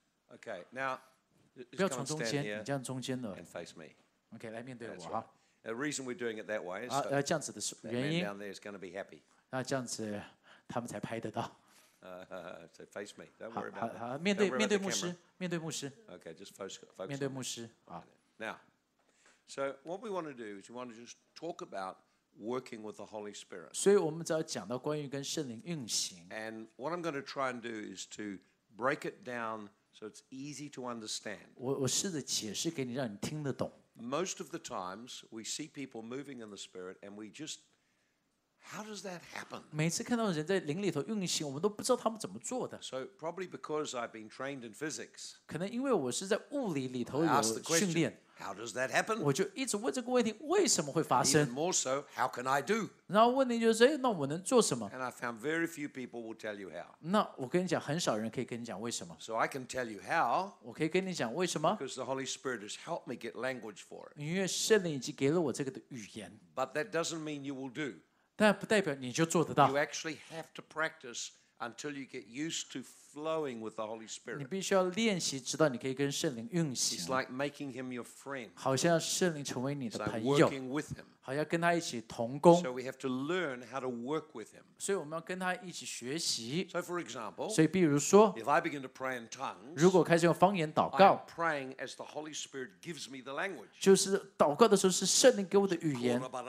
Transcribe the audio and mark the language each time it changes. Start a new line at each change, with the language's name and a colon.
English: ？Okay, now,
Chinese: 不要从中间，你这样中间的
English: ，and face me.
Chinese: Okay, 来面对我哈。
English: Right. The reason we're doing it that way is
Chinese: 啊，这样子的原因。
English: That man down there is going to be happy.
Chinese: 那这样子他们才拍得到。
English: So face me. Don't worry about that.
Chinese: 好，面对牧师，面对牧师。
English: Okay, just focus.
Chinese: 面对牧师啊。
English: Now. So what we want to do is we want to just talk about working with the Holy Spirit.
Chinese: 所以我们只要讲到关于跟圣灵运行。
English: And what I'm going to try and do is to break it down so it's easy to understand.
Chinese: 我试着解释给你，让你听得懂。
English: Most of the times we see people moving in the Spirit, and we just, how does that happen?
Chinese: 每次看到人在灵里头运行，我们都不知道他们怎么做的。
English: So probably because I've been trained in physics.
Chinese: 可能因为我是在物理里头有训练。
English: How does that happen?
Chinese: 我就一直问这个问题，为什么会发生
English: ？Even more so, how can I do?
Chinese: 然后问题就是，哎，那我能做什么
English: ？And I found very few people will tell you how.
Chinese: 那我跟你讲，很少人可以跟你讲为什么。
English: So I can tell you how.
Chinese: 我可以跟你讲为什么
English: ？Because the Holy Spirit has helped me get language for it.
Chinese: 因为圣灵已经给了我这个的语言。
English: But that doesn't mean you will do.
Chinese: 但不代表你就做得到。
English: You actually have to practice. Until you get used to flowing with the Holy Spirit,
Chinese: 你必须要练习，知道你可以跟圣灵运行。
English: It's like making him your friend.
Chinese: 好像圣灵成为你的朋友。
English: It's like working with him.
Chinese: 好像跟他一起同工。
English: So we have to learn how to work with him.
Chinese: 所以我们要跟他一起学习。
English: So for example,
Chinese: 所以比如说
English: ，If I begin to pray in tongues,
Chinese: 如果开始用方言祷告
English: ，I'm praying as the Holy Spirit gives me the language.
Chinese: 就是祷告的时候是圣灵给我的语言。